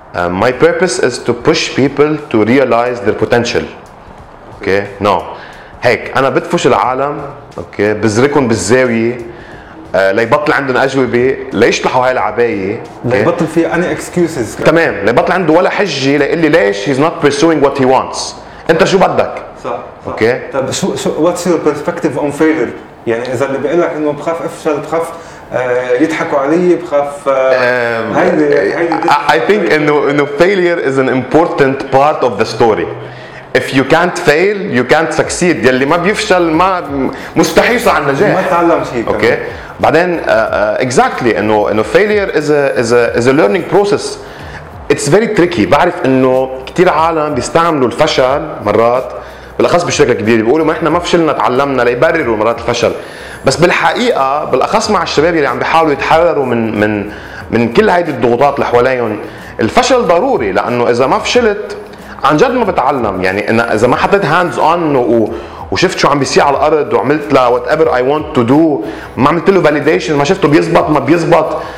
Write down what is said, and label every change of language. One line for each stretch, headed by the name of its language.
English: My purpose is to push people to realize their potential. Okay? No.
Arabic: هيك انا بدفش العالم اوكي بزركهم بالزاويه ليبطل عندهم اجوبه ليشلحوا هاي العبايه okay. ليبطل في اني اكسكيوزز تمام ليبطل عنده ولا حجه ليقول لي ليش he's not pursuing what he wants. انت شو بدك؟ صح. اوكي طب شو واتس يور برسبكتيف اون فيلر يعني اذا اللي بيقول لك انه بخاف افشل بخاف يضحكوا علي بخاف
English: هاي I think انه failure is an important part of the story. If you can't fail you can't succeed.
Arabic: يلي ما بيفشل ما مستحيل يصير النجاح ما تعلم شيء
English: Okay بعدين exactly انه failure is a learning process. It's very tricky.
Arabic: بعرف انه كثير عالم بيستعملوا الفشل مرات بالاخص بالشركه الكبيره بيقولوا ما احنا ما فشلنا تعلمنا ليبرروا مرات الفشل بس بالحقيقه بالاخص مع الشباب اللي عم بيحاولوا يتحرروا من من من كل هيدي الضغوطات اللي حواليهم الفشل ضروري لانه اذا ما فشلت عن جد ما بتعلم يعني انا اذا ما حطيت هاندز اون وشفت شو عم بيصير على الارض وعملت له وات ايفر اي وونت تو دو ما عملت له فاليديشن ما شفته بيزبط ما بيزبط